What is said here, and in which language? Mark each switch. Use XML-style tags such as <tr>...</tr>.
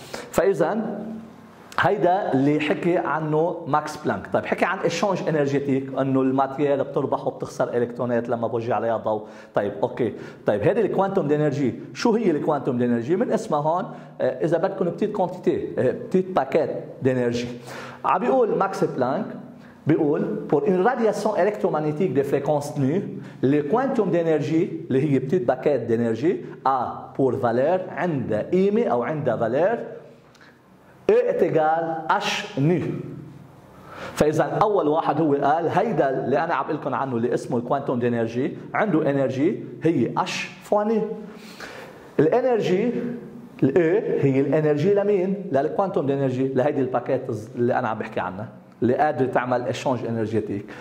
<ar>فاذا هيدا اللي حكي عنه ماكس بلانك. طيب حكي عن اشانج انرجيتيك، انه الماتير بتربح وبتخسر الكترونات لما بوجع عليها ضوء. طيب اوكي، طيب هيدي الكوانتوم انرجي. شو هي الكوانتوم انرجي؟ من اسمها هون اذا بدكم بتيت كونتيتي، بتيت باكيت انرجي. عم بيقول ماكس بلانك بيقول</ar> <fr>pour une radiation électromagnétique de fréquence nue le quantum d'énergie</fr> <ar>اللي هي بتيت باكيت انرجي</ar> <fr>a pour valeur</fr> <ar>عند ايمي او عند</ar> <fr>valeur E est égal H nu.</fr> <ar>فإذا أول واحد هو قال هيدا اللي أنا عم بقول لكم عنه اللي اسمه الكوانتوم دينرجي عنده انرجي هي H فوا ني. الانرجي الـ E هي الانرجي لمين؟ للكوانتوم دينرجي، لهيدي الباكيت اللي أنا عم بحكي عنها اللي قادرة تعمل اشانج انرجيتيك.</ar>